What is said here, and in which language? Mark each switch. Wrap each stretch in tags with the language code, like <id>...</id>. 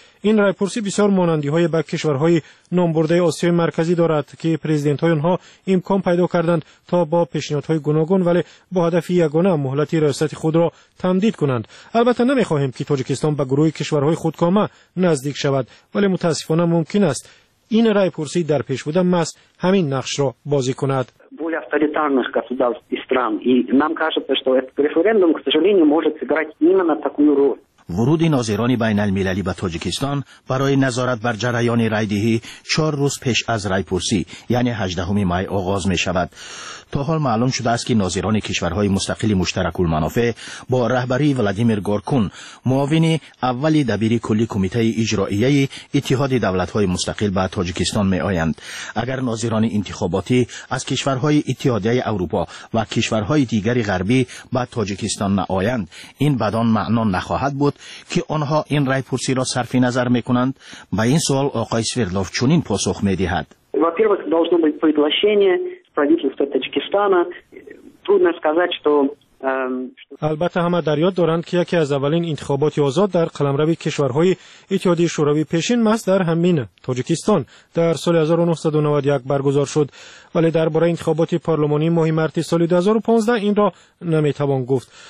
<fa>این رای پرسی بسیار مانندی های به کشورهای نامبرده آسیای مرکزی دارد که پرزیدنت های آنها امکان پیدا کردند تا با پیشنهادهای گوناگون ولی با هدف یگانه مهلت ریاست خود را تمدید کنند. البته نمیخواهیم که تاجیکستان به گروه کشورهای خودکامه نزدیک شود، ولی متاسفانه ممکن است این رای پرسی در پیش بوده ماست همین نقش را بازی کند.</fa> <ru>авторитарных государств и стран. И нам кажется, что этот референдум, к сожалению, может сыграть именно такую роль.</ru> <fa>ورود ناظران بین المللی به تاجیکستان برای نظارت بر جریان رای دهی 4 روز پیش از رای پرسی یعنی 18 می آغاز می شود. تا حال معلوم شده است که ناظران کشورهای مستقل مشترک المنافع با رهبری ولادیمیر گورکون، معاون اول دبیر کلی کمیته اجرایی اتحاد دولت های مستقل به تاجیکستان می آیند. اگر ناظران انتخاباتی از کشورهای اتحادیه اروپا و کشورهای دیگر غربی به تاجیکستان نآیند، این بدان معنا نخواهد بود که آنها این رای پرسی را صرف نظر می کنند. به این سوال آقای سوردلوف چنین پاسخ می دهد.</fa> <ru>во-первых, должно быть приглашение правительства Таджикистана. Трудно сказать, что</ru> <fa>البته همه در یاد دارند که یکی از اولین انتخابات آزاد در قلمرو کشورهای اتحادیه شوروی پیشین ماست در همین تاجیکستان در سال 1991 برگزار شد، ولی درباره انتخابات پارلمانی ماه مارس سال 2015 این را نمیتوان گفت.</fa>